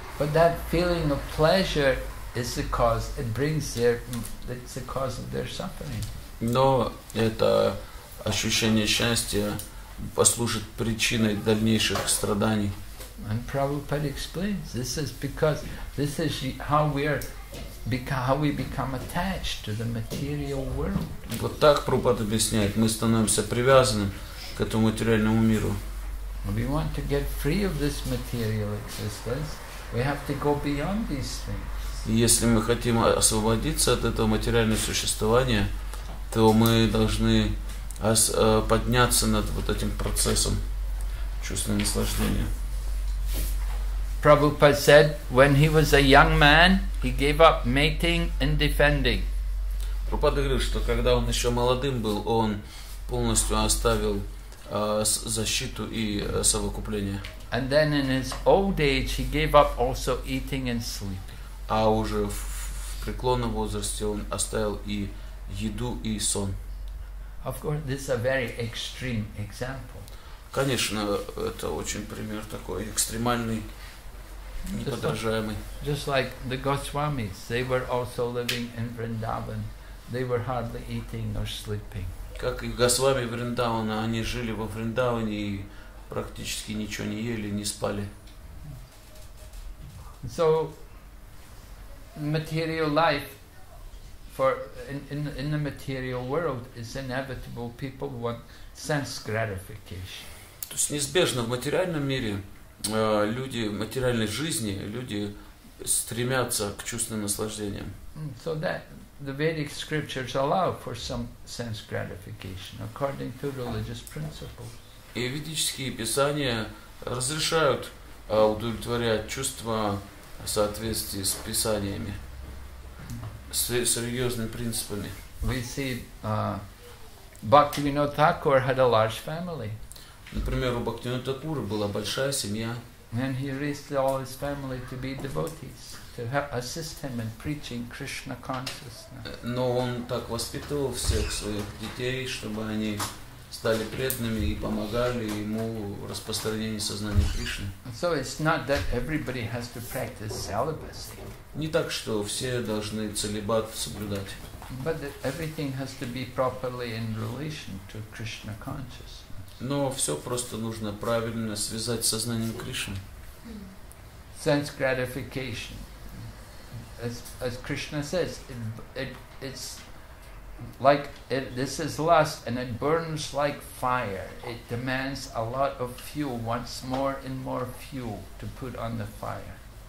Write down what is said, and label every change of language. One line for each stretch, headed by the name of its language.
English: But that feeling of pleasure is the cause. It brings their. It's the cause of their suffering.
Russian: Но это ощущение счастья послужит причиной дальнейших страданий.
English: And Prabhupada explains this is because this is how we are, how we become attached to the material world.
Russian: Вот так Прабхупада объясняет, мы становимся привязанным к этому материальному миру.
English: We want to get free of this material existence. We have to go beyond these things.
Russian: Если мы хотим освободиться от этого материального существования, то мы должны подняться над вот этим процессом чувственного наслаждения.
English: Prabhupada said, when he was a young man, he gave up mating and defending.
Russian: Prabhupada говорил, что когда он еще молодым был, он полностью оставил защиту и совокупление.
English: And then in his old age, he gave up also eating and sleeping.
Russian: А уже в преклонном возрасте он оставил и еду, и сон.
English: Of course, this is a very extreme example.
Russian: Конечно, это очень пример такой экстремальный.
English: Just like the Goswamis, they were also living in Vrindavan. They were hardly eating or sleeping.
Russian: Как и Госвами Вриндавана, они жили во Вриндаване и практически ничего не ели, не спали.
English: So, material life in the material world is inevitable. People want sense gratification.
Russian: То есть неизбежно в материальном мире. Люди материальной жизни, люди стремятся к чувственным наслаждениям.
English: So that the Vedic scriptures allow for some sense gratification according to religious principles.
Russian: И ведические писания разрешают удовлетворять чувства в соответствии с писаниями, с религиозными принципами.
English: We see Bhaktivinod Thakur had a large family.
Russian: Например, у Бхактивинода Тхакура была большая семья.
English: And he raised all his family to be devotees, to help assist him in preaching Krishna consciousness.
Russian: Но он так воспитывал всех своих детей, чтобы они стали преданными и помогали ему в распространении сознания Кришны.
English: So it's not that everybody has to practice celibacy.
Russian: Не так, что все должны целибат соблюдать.
English: But everything has to be properly in relation to Krishna consciousness.
Russian: Но все просто нужно правильно связать с сознанием Кришны.
English: Sense gratification. As Krishna says, it's like it, this is lust and it burns like fire. It demands a lot of fuel, wants more and more fuel to put on the fire.